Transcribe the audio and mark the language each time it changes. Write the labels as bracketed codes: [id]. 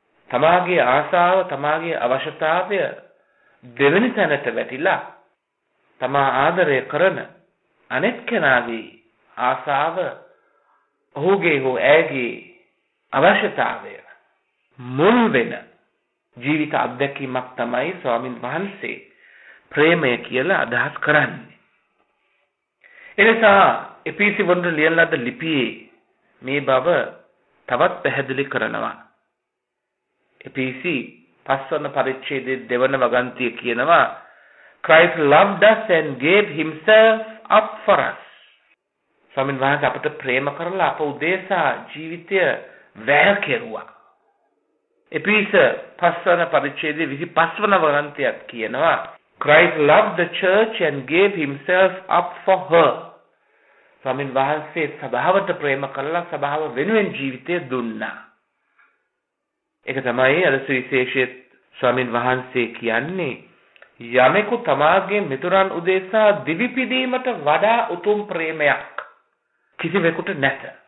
[si] තමාගේ ආසාව, තමාගේ අවශ්‍යතාවය දෙවෙනි තැනට වැටිලා තමා ආදරය කරන අනෙක් කෙනාගේ ආසාව, ඔහුගේ හෝ ඇගේ අවශ්‍යතාවය මුල් වෙන ජීවිත අත්දැකීමක් තමයි ස්වාමීන් වහන්සේ ප්‍රේමය කියලා අදහස් කරන්නේ. එනිසා එපිසි වොන්ඩ ලියන ලද ලිපියේ මේ බව තවත් පැහැදිලි කරනවා. එපිසි 5 වන පරිච්ඡේදයේ 2 වන වගන්තිය කියනවා, [en] Christ loved us and gave himself up for us. [si] ස්වාමීන් වහන්සේ අපට ප්‍රේම කරලා අප උදෙසා ජීවිතය වැය කෙරුවා. එපිස 5 වන පරිච්ඡේදයේ 25 වන වගන්තියත් කියනවා, [en] Christ loved the church and gave himself up for her. [si] ස්වාමීන් වහන්සේ සභාවට ප්‍රේම කළා, සභාව වෙනුවෙන් ජීවිතය දුන්නා. ඒක තමයි අද සුවිශේෂයේ ස්වාමීන් වහන්සේ කියන්නේ. යමෙකු තමාගේ මිතුරන් උදෙසා දිවිපිදීමට වඩා උතුම් ප්‍රේමයක් කිසිවෙකුට නැත.